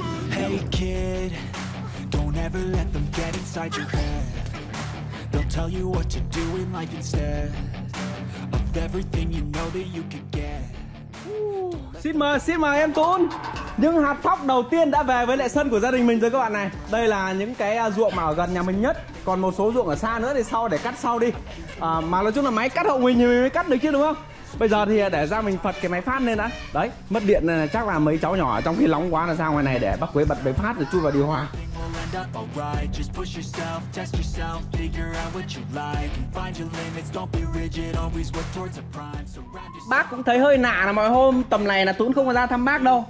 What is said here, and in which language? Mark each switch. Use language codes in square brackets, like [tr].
[en] Hey kid, don't ever let them get inside your head. Tell you what to do in life instead of everything you know that you could get. [vi] Xin mời em Tún. Những hạt thóc đầu tiên đã về với lại sân của gia đình mình rồi các bạn này. Đây là những cái ruộng mà ở gần nhà mình nhất, còn một số ruộng ở xa nữa thì sau để cắt sau đi. Mà nói chung là máy cắt hộ mình thì mình mới cắt được chứ đúng không? Bây giờ thì để ra mình phật cái máy phát lên đã. Đấy, mất điện này chắc là mấy cháu nhỏ trong khi nóng quá là ra ngoài này để bác Quế bật máy phát rồi chui vào điều hòa. [en] Alright, just push yourself, test yourself, figure out what you like, and find your limits, don't be rigid, always work towards a prime. [vi] Bác cũng thấy hơi lạ là mọi hôm tầm này là Tún không có ra thăm bác đâu.